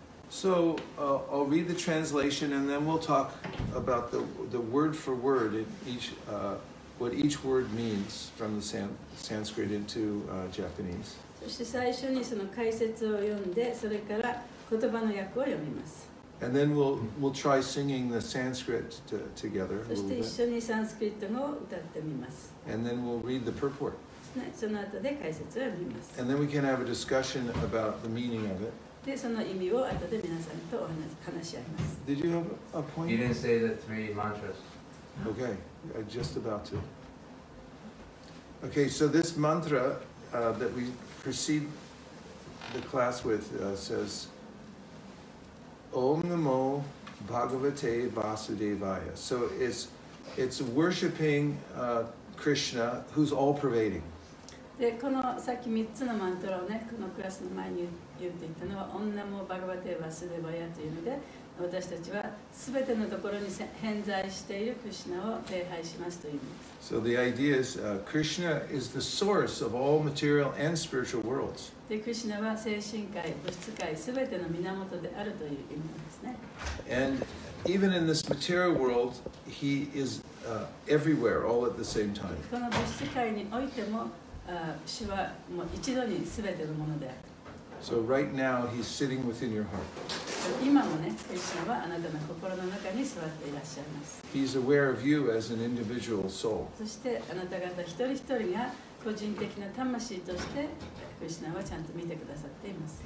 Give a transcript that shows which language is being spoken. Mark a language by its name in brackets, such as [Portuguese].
[English] So, I'll read the translation and then we'll talk about the word for word in each, what each word means from the Sanskrit into Japanese. [Japanese] そして最初にその解説を読んで、それから言葉の訳を読みます。 [English] And then we'll try singing the Sanskrit together. [Japanese] そして一緒にサンスクリット語を歌ってみます。 [English] And then we'll read the purport. [Japanese] その後で解説を読みます。 [English] And then we can have a discussion about the meaning of it. [Japanese] でその意味を後で皆さんとお話し合います。 [English] Did you have a point? You didn't say the three mantras. Okay, I just about to. Okay, so this mantra that we proceed the class with says, Om Namo Bhagavate Vasudevaya. So it's worshiping Krishna, who's all pervading. [Japanese] でこのさっき3つのマントラをね、このクラスの前に言っていたのは、オンナモバガバテヴァスデヴァヤというので、私たちはすべてのところに偏在しているクリシュナを礼拝しますという意味。 [English] So the idea is, Krishna is the source of all material and spiritual worlds. [Japanese] で、クリシュナは精神界、物質界、すべての源であるという意味ですね。 [English] And even in this material world, he is everywhere, all at the same time. [Japanese] この物質界においても、主はもう一度にすべてのものである。 [English] So right now he's sitting within your heart. [Japanese] 今もね、クリシュナはあなたの心の中に座っていらっしゃいます。 [English] He's aware of you as an individual soul. [Japanese] そしてあなた方一人一人が個人的な魂としてクリシュナはちゃんと見てくださっています。